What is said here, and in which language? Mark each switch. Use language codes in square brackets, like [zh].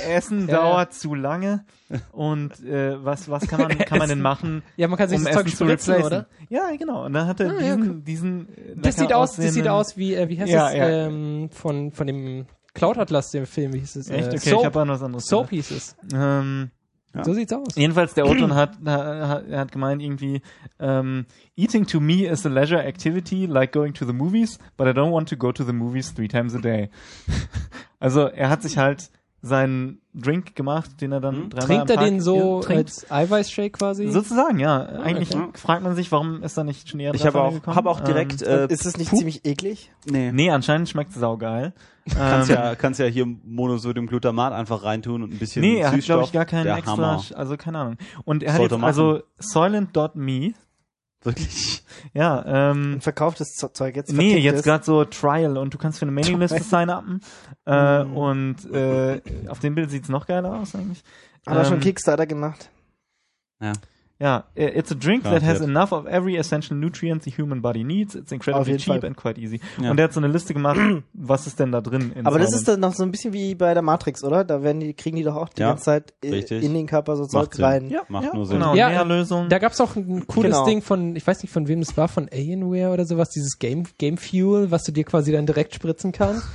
[de] Essen dauert zu lange und was kann man denn machen? Ja, man kann sich um das Essen Zeug spritzen, zu oder? Ja, genau. Und dann hat er diesen Das sieht aus wie heißt es von dem Cloud Atlas, dem Film, wie hieß es? Echt? Okay, Soap. Ich habe auch noch was anderes. Soap hieß es. Ja. So sieht's aus. Jedenfalls, der O-Ton hat gemeint irgendwie, [en] eating to me is a leisure activity like going to the movies, but I don't want to go to the movies 3 times a day. [de] Also, er hat sich halt seinen Drink gemacht, den er dann dreimal trinkt am Tag trinkt. Er den so trinkt. Als Eiweißshake quasi? Sozusagen, ja. Eigentlich fragt man sich, warum ist da nicht schon eher dran gekommen. Ich habe auch direkt... ist das nicht ziemlich eklig? Nee, anscheinend schmeckt es saugeil. kannst ja hier Monosodium-Glutamat einfach reintun und ein bisschen Süßstoff. Nee, er hat, glaube ich, gar keinen extra... Hammer. Also, keine Ahnung. Und er hat jetzt also Soylent.me. Wirklich? Ja. Und verkauft das Zeug jetzt? Nee, jetzt gerade so Trial und du kannst für eine Mailingliste sign-upen. Und auf dem Bild sieht es noch geiler aus eigentlich. Hat er schon Kickstarter gemacht. Ja. [en] Ja, it's a drink that has enough of every essential nutrient the human body needs. It's incredibly cheap and quite easy. Ja. [de] Und der hat so eine Liste gemacht, was ist denn da drin? Das ist dann noch so ein bisschen wie bei der Matrix, oder? Da kriegen die doch auch die ganze Zeit in den Körper so Zeug rein. Ja, macht nur Sinn. Genau, ja, Nährlösung. Da gab's auch ein cooles Ding von, ich weiß nicht von wem es war, von Alienware oder sowas, dieses Game Fuel, was du dir quasi dann direkt spritzen kannst.